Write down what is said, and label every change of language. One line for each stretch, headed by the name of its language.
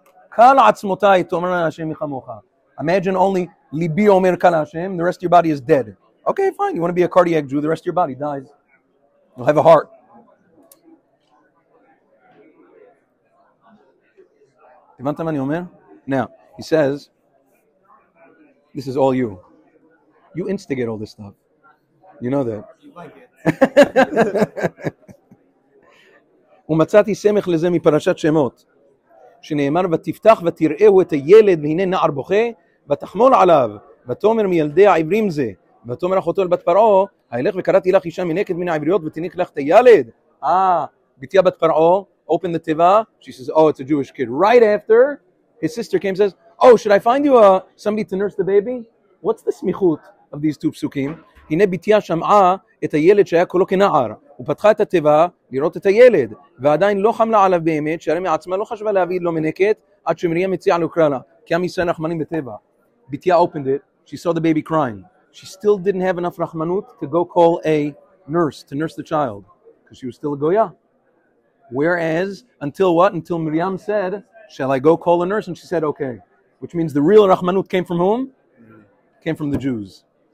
Hebrew: קל עצמותי, תאמר להשם מחמוך.
English: Imagine only
Hebrew: ליבי אומר קל להשם,
English: the rest of your body is dead. Okay, fine, you want to be a cardiac Jew, the rest of your body dies. You'll have a heart.
Hebrew: הבנת מה אני אומר?
English: Now, he says, this is all you. You instigate all this stuff. You know that.
Hebrew: ומצאתי סמך לזה מפרשת שמות, שנאמר, ותפתח ותראהו את הילד, והנה נער בוכה, ותחמול עליו, ותאמר מילדי העברים זה, ותאמר אחותו לבת פרעה, הילך וקראתי לך אישה מנקד מן העבריות, ותניק לך את הילד.
English: ביתיה בת פרעה, open the tiva, she says, oh, it's a Jewish kid. Right after, his sister came and says, oh, should I find you somebody to nurse the baby? What's the smichut of these two psukim?
Hebrew: הנה ביתיה שמעה את הילד שהיה קולו כנער, ופתחה את התיבה לראות את הילד, ועדיין לא חמלה עליו באמת, שהרי מעצמה לא חשבה להביא לו מנקת, עד שמריה מציעה לו קרלה, כי עם ישראל רחמנים בטבע.
English: ביתיה opened it, she saw the baby crying. She still didn't have enough רחמנות to go call a nurse, to nurse the child, because she was still a goya. Whereas, until what? Until Miriam said, shall I go call a nurse? And she said, okay. Which means the real Rachmanut came from whom? Came from the Jews.